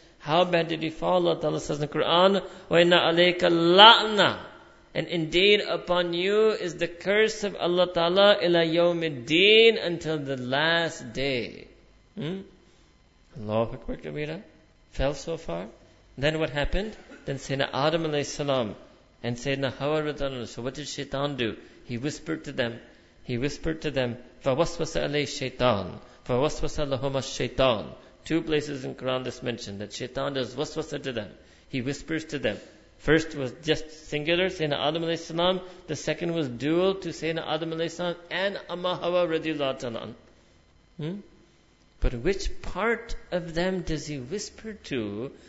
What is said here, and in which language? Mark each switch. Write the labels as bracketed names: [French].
[English] How bad did he fall? Allah Ta'ala says in the Quran, [Arabic] وَإِنَّ عَلَيْكَ الْلَعْنَ [English] And indeed upon you is the curse of Allah Ta'ala [Arabic] إِلَى يَوْمِ الدِّينِ [English] Until the last day. Allahu Akbar Kabira. Fell so far. Then what happened? Then Sayyidina Adam alayhi salam, And Sayyidina Hawa رضي الله عنه, so what did Shaitan do? He whispered to them, [Arabic] فَوَسْوَسَ عَلَيْهِ الشَّيْطَانِ فَوَسْوَسَ لَهُمَ الشَّيْطَانِ. [English] Two places in Quran this mentioned that Shaitan does waswasa to them. He whispers to them. First was just singular, Sayyidina Adam alayhi salam. The second was dual to Sayyidina Adam alayhi salam and Amma Hawa radiallahu ta'ala. But which part of them does he whisper to?